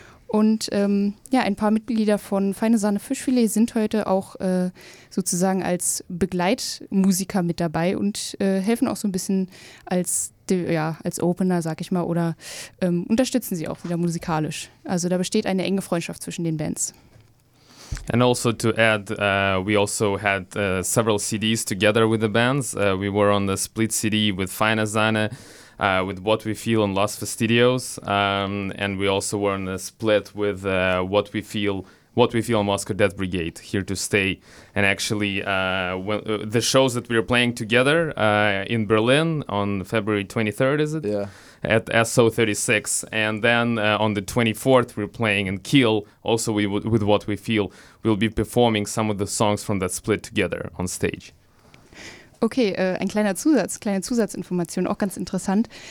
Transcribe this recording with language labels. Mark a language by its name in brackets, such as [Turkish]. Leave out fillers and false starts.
[German] Und ja, ein paar Mitglieder von Feine Sahne Fischfilet sind heute auch sozusagen als Begleitmusiker mit dabei und helfen auch so ein bisschen als, ja, als Opener, sag ich mal, oder unterstützen sie auch wieder musikalisch. Also da besteht eine enge Freundschaft zwischen den Bands. [English] And also to add, we also had several CDs together with the bands. We were on the split CD with Feine Sahne, with What We Feel and Los Fastidios. And we also were on the split with What We Feel and Moscow Death Brigade, Here to Stay. And actually, the shows that we were playing together in Berlin on February 23rd, is it? Yeah. At SO 36, and then on the 24th we're playing in Kiel, also with What We Feel. We'll be performing some of the songs from that split together on stage. [German] Okay, ein kleiner Zusatz, kleine Zusatzinformation, auch ganz interessant.